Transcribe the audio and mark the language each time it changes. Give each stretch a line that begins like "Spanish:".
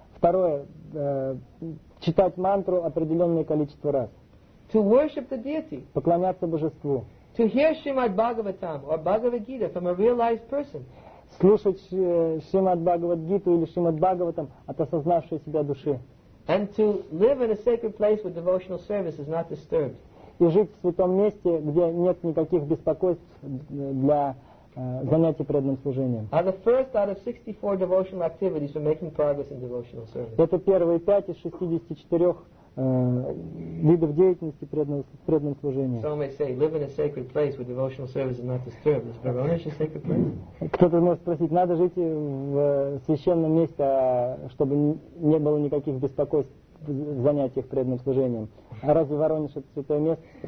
Russian: Второе, читать мантру определенное количество раз.
English: To worship the deity.
Russian: Поклоняться божеству.
English: To hear Srimad Bhagavatam or Bhagavad Gita from a realized person.
Russian: Слушать Шримад Бхагават Гиту или Шримад Бхагаватам от осознавшей себя души.
English: And to live in a sacred place where devotional service is not disturbed.
Russian: И жить в святом месте, где нет никаких беспокойств для занятий преданным служением.
English: Are the first out of 64 devotional activities for making progress in devotional service.
Russian: Это первые пять из 64 видов деятельности преданного служения.
English: Some may say, live in a sacred place where devotional service is not disturbed. Is Vrindavan a sacred place?
Russian: Кто-то может спросить, надо жить в священном месте, чтобы не было никаких беспокойств в занятиях преданным служением. А разве Воронеж это святое место?